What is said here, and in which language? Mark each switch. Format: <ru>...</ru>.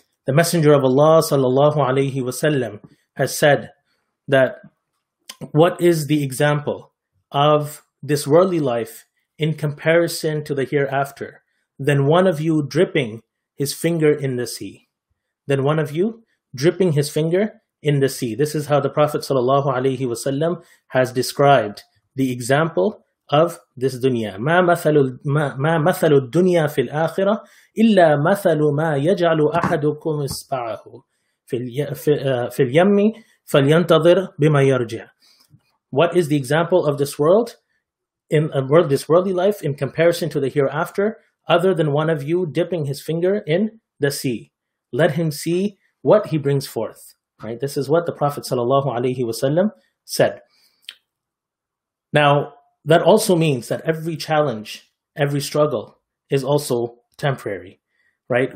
<en>The Messenger of Allah sallallahu alayhi wa sallam has said that what is the example of this worldly life in comparison to the hereafter, then one of you dripping his finger in the sea. Then one of you dripping his finger in the sea. This is how the Prophet sallallahu alaihi wasallam has described the example of this dunya.</en> <ar>ما مثل الدنيا في الآخرة إلا مثل ما يجعل أحدكم إصبعه في اليم فلينتظر بما يرجع.</ar> <en>What is the example of this world? In a world, this worldly life, in comparison to the hereafter, other than one of you dipping his finger in the sea, let him see what he brings forth. Right? This is what the Prophet sallallahu alaihi wasallam said. Now, that also means that every challenge, every struggle, is also temporary. Right?</en>